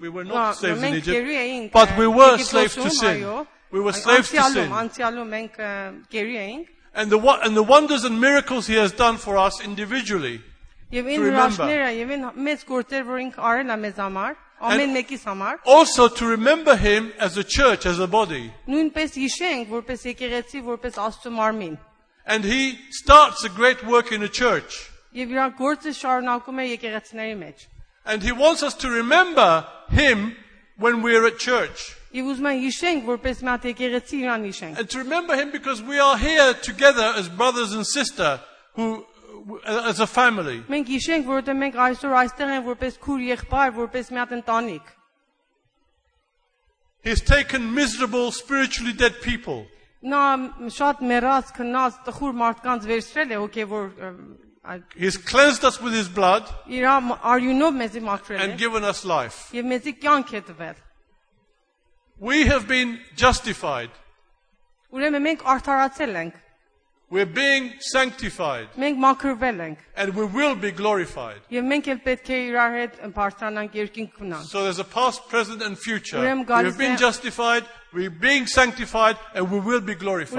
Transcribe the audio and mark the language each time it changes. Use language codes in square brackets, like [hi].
[en] We were not slaves in Egypt. But we were slaves to sin. We were slaves to sin. [hy] Անցյալում մենք գերի էինք. [en] And the wonders and miracles he has done for us individually. [hy] Եվ ինքն հրաշները, եւ ինքն մեծ գործեր, որ ինքն արել է մեզ համար, ամեն մեկիս համար. [en] Also to remember him as a church, as a body. [hy] Նույնպես հիշենք, որպես եկեղեցի, որպես Աստծո մարմին. [en] And he starts a great work in a church. [hy] Եվ իր գործը շարունակում է եկեղեցիների մեջ. [en] And he wants us to remember him when we are at church. [hy] Եվ ուզում եմ հիշենք, որպես մենք եկեղեցի իրան հիշենք. [en] And to remember him because we are here together as brothers and sister who as a family. [hy] Մենք հիշենք, որ դեռ մենք այսօր այստեղ ենք որպես քուր եղբայր, որպես մի հատ ընտանիք. [en] He's taken miserable spiritually dead people. [hy] Նա շատ մեռած քնած տխուր մարդկանց վերցրել է, okay, որ [en] He's cleansed us with his blood. [hy] Իրա արյունով մեզի մաքրել է. [en] And given us life. [hy] Եվ մեզի կյանք է տվել. [en] We have been justified. [hy] Ուրեմն մենք արդարացել ենք. [en] We're being sanctified. [hy] Մենք մաքրվել ենք. [en] And we will be glorified. [hy] Եվ մենք էլ պետք է իրար հետ բարձրանանք երկինք ունենանք. [en] So there's a past, present and future. We've been justified, we're being sanctified and we will be glorified.